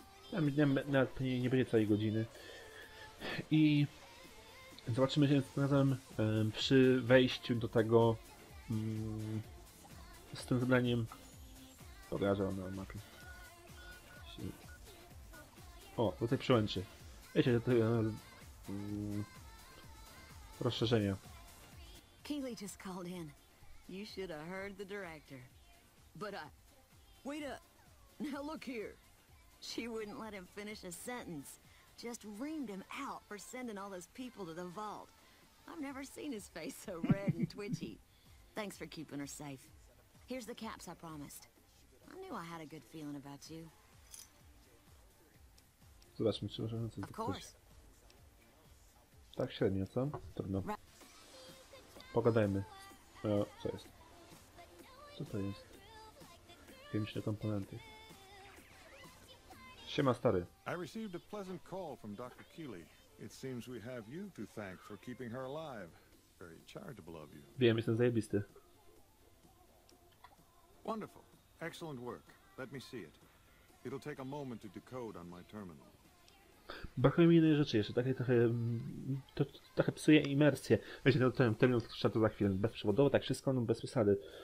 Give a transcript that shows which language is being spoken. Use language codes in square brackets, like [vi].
[pl] Tam nawet nie będzie całej godziny. I zobaczymy się razem przy wejściu do tego z tym zadaniem. Pokażę wam na mapie. O, tutaj przełęczy. Wiecie, że to rozszerzenie. [en] Kaylee just called in. You should have heard the director. But I... Wait a... Now look here. She wouldn't let him finish a sentence. Just reamed him out for sending all those people to the vault. I've never seen his face so red and twitchy. Thanks for keeping her safe. Here's the caps I promised. I knew I had a good feeling about you. [pl] Zobaczmy, czy możemy coś zapytać. Tak średnio, co? Trudno. Pogadajmy. Co jest? Co to jest? Chemiczne komponenty. Siema, stary. [en] I received a pleasant call from Dr. Keeley. It seems we have you to thank for keeping her alive. Very charitable of you. [pl] Wiem, jestem zajebisty. [en] Wonderful. Excellent work. Let me see it. It'll take a moment to decode on my terminal. [pl] Brakuje mi innej rzeczy jeszcze, takie trochę, trochę psuje imersję. Wiecie, no, ten termin odkrywa to za chwilę, bezprzewodowo, tak wszystko, no bez wysady.